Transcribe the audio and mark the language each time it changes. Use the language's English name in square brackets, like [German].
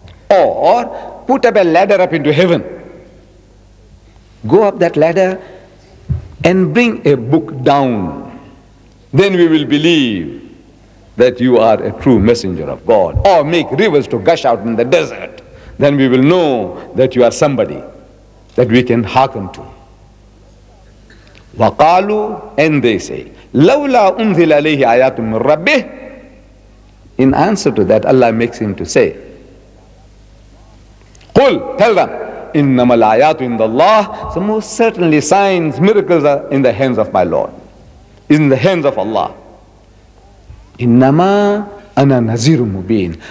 [English] Or put up a ladder up into heaven. Go up that ladder and bring a book down. Then we will believe that you are a true messenger of God. Or make rivers to gush out in the desert. Then we will know that you are somebody that we can hearken to. [Arabic] وَقَالُوا, [English] and they say, [Arabic] لَوْلَا أُنْزِلَ عَلَيْهِ آيَاتٌ مِّن رَبِّهِ. [English] In answer to that, Allah makes him to say, [Arabic] قُلْ, [English] tell them, [Arabic] إِنَّمَا الْآيَاتُ إِنْدَ اللَّهِ. [English] So most certainly signs, miracles are in the hands of my Lord. In the hands of Allah. [Arabic] إِنَّمَا أَنَا نَزِيرٌ مُبِينٌ.